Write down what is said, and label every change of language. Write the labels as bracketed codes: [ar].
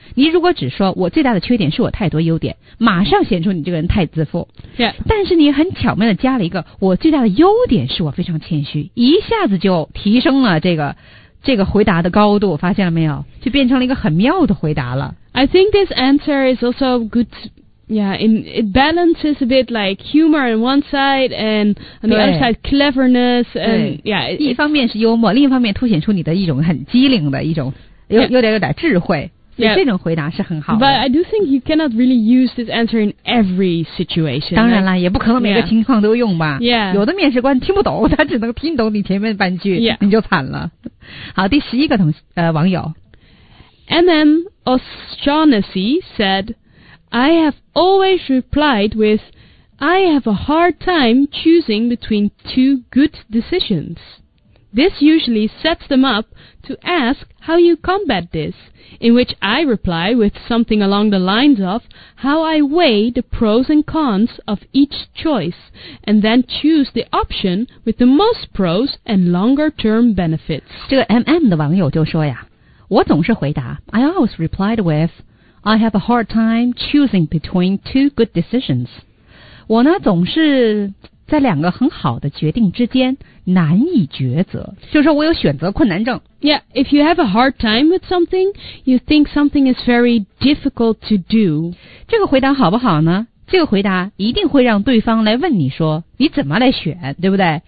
[zh] 你如果只说我最大的缺点是我太多优点，马上显出你这个人太自负。 [en] Yeah. [zh] 但是你很巧妙地加了一个我最大的优点是我非常谦虚，一下子就提升了这个回答的高度，发现了没有？就变成了一个很妙的回答了。 [en] I think this answer is also good. Yeah, it balances a bit like humor on one side and on the other side cleverness. And yeah, [zh] 一方面是幽默，另一方面凸显出你的一种很机灵的一种有点智慧。 [en] Yeah. [zh] 这种回答是很好的。 [en] But I do think you cannot really use this answer in every situation. [zh] 当然了，也不可能每个情况都用吧。 [en] Yeah. [zh] 有的面试官听不懂，他只能听懂你前面半句， [en] yeah. [zh] 你就惨了。好，第十一个网友 [en] ，M.M. O'Shaughnessy said, "I have always replied with, 'I have a hard time choosing between two good decisions.'" This usually sets them up to ask how you combat this, in which I reply with something along the lines of how I weigh the pros and cons of each choice, and then choose the option with the most pros and longer term benefits. [zh] 这个 MM 的网友就说呀，我总是回答 [en] I always replied with I have a hard time choosing between two good decisions. [zh] 我呢总是在两个很好的决定之间难以抉择，就是说我有选择困难症。 [en] Yeah, if you have a hard time with something, you think something is very difficult to do. [zh] 这个回答好不好呢？这个回答一定会让对方来问你说，你怎么来选，对不对？